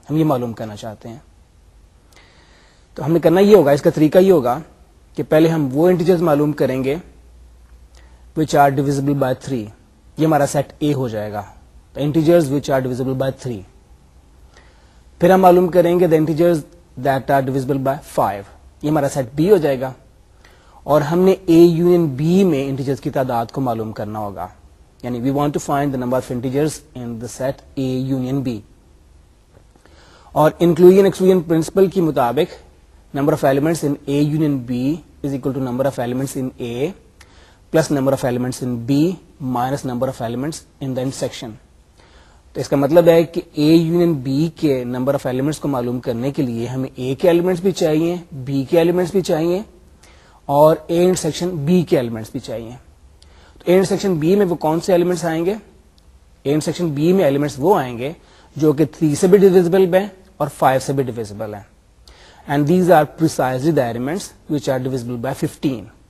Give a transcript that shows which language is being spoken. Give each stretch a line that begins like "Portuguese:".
Urdu: ہم یہ معلوم کرنا چاہتے ہیں. تو ہمیں کرنا یہ ہوگا, اس کا طریقہ یہ ہوگا کہ پہلے ہم وہ انٹیجرز معلوم کریں گے
English: Which are divisible by 3.
Urdu: یہ ہمارا سیٹ اے ہو جائے گا,
English: Integers which are divisible by 3.
Urdu: پھر ہم معلوم کریں گے
English: The integers that are divisible by 5.
Urdu: یہ ہمارا سیٹ بی ہو جائے گا, اور ہم نے اے یونین بی میں انٹیجرز کی تعداد کو معلوم کرنا ہوگا. یعنی
English: We want to find the number of integers in the set A union B. اور inclusion exclusion principle
Urdu: کے مطابق
English: Number of elements in A union B is equal to number of elements in A plus number of elements in B minus number of elements in the intersection.
Urdu: تو اس کا مطلب ہے کہ A union B کے number of elements کو معلوم کرنے کے لیے ہمیں اے کے ایلیمنٹس بھی چاہیے, بی کے ایلیمنٹس بھی چاہیے, اور اے انٹرسیکشن بی کے ایلیمنٹس بھی چاہیے. تو اے انٹرسیکشن بی میں وہ کون سے ایلیمنٹس آئیں گے؟ اے انٹرسیکشن بی میں ایلیمنٹس وہ آئیں گے جو کہ 3 سے بھی ڈیویزبل ہیں اور 5 سے بھی ڈیویزبل ہیں.
English: And these are precisely the elements which are divisible by 15.